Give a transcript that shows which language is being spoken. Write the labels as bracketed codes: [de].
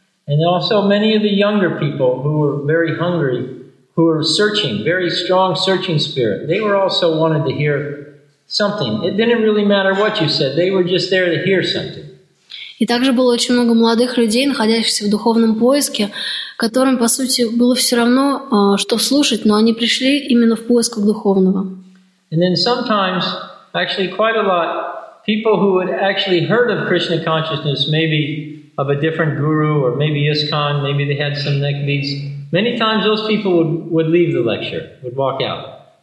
[en] And also many of the younger people who were very hungry, who were searching, very strong searching spirit, they were also wanted to hear something. It didn't really matter what you said, they were just there to hear something. [ru] И также было очень много молодых людей, находящихся в духовном поиске, которым, по сути, было все равно, что слушать, но они пришли именно в поисках духовного. [en] And then sometimes, actually quite a lot, people who had actually heard of Krishna consciousness, maybe of a different guru, or maybe ISKCON, maybe they had some neck beats, many times those people would leave the lecture, would walk out.